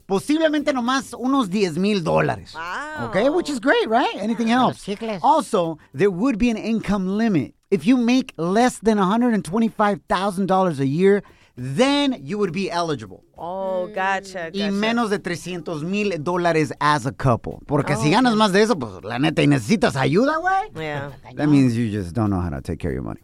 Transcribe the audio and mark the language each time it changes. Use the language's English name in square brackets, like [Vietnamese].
[Spanish] Posiblemente nomás unos $10,000. [English] Wow. Okay, which is great, right? Anything helps. Also, there would be an income limit. If you make less than $125,000 a year, then you would be eligible. Oh, gotcha. [Spanish] Y menos de $300,000 [English] as a couple. [Spanish] Porque si ganas más de eso, pues la neta, y necesitas ayuda, güey. [English] Yeah. That means you just don't know how to take care of your money.